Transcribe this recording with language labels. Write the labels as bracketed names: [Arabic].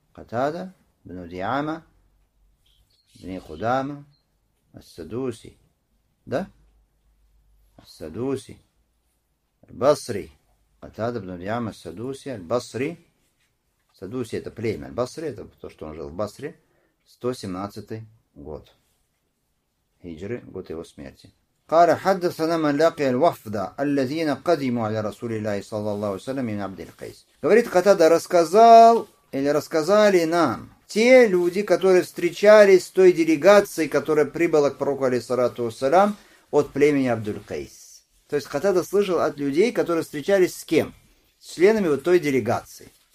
[Russian] Катада, бну Диама, бни Худама, Ас-Садуси. Да? Ас-Садуси. Аль-Басри. Катада, бну Диама, Ас-Садуси, Аль-Басри. Садуси — это племя. Аль-Басри — это то, что он жил в Басре. 117 год хиджры, год его смерти. [Arabic] قال حدثنا من لقي الوفد الذين قدموا على رسول الله صلى الله عليه وسلم من عبد القيس. [Russian] Говорит, Катада рассказал или рассказали нам те люди, которые встречались с той делегацией, которая прибыла к пророку алейхиссалату вассалям от племени Абдул-Кейс. То есть Катада слышал от людей, которые встречались с кем? С членами вот той делегации.